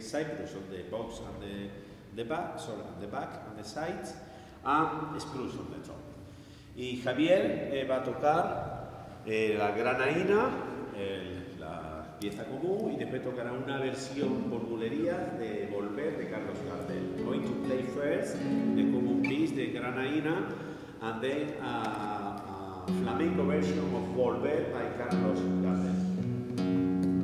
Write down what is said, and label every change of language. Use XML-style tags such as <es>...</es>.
<en>Cypress on the box and the back and the sides, and spruce on the top.</en> <es>Y Javier va a tocar la granaína, la pieza común, y después tocará una versión por bulerías de Volver de Carlos Gardel.</es> <en>Going to play first the common piece, the granaína, and then flamenco version of Volver by Carlos Gardel.</en>